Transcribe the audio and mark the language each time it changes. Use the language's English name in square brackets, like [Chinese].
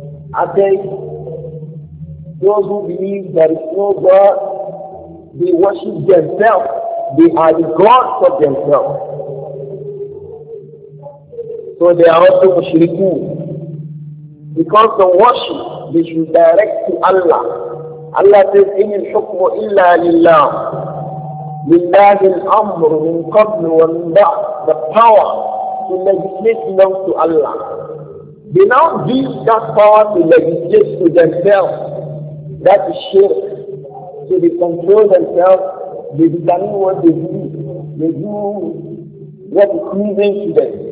[English] Atheists. Those who believe there is no God, they worship themselves. They are the gods of themselves. So they are also mushrikun. Because the worship they should direct to Allah. Allah says, [Arabic] إِنِ الْحُكْمُ إِلَّا لِلَّهِ لِلَّهِ الْأَمْرُ مِنْ قَبْلُ وَمِنْ بَعْدُ. [English] The power to legislate belongs to Allah. They now give that power to legislate to themselves. That is shirk. so they control themselves, they determine what they do, they do what is pleasing to them.